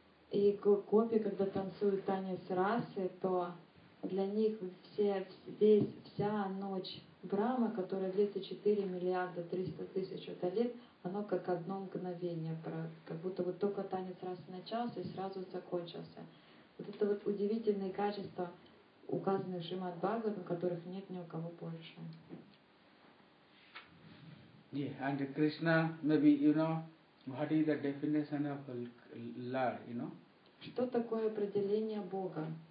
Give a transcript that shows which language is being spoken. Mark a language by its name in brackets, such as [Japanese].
[Russian] И гопи, когда танцуют танец расы, то для них вся ночь Брама, которая длится 4 миллиарда 300 тысяч лет, оно как одно мгновение, как будто вот только танец раз начался и сразу закончился. Вот это вот удивительные качества, указанные в Шримад Бхагаватам, которых нет ни у кого больше. [English] Yeah, and Krishna, maybe you know, what is the definition of Lord, you know? [Russian] Что такое определение Бога?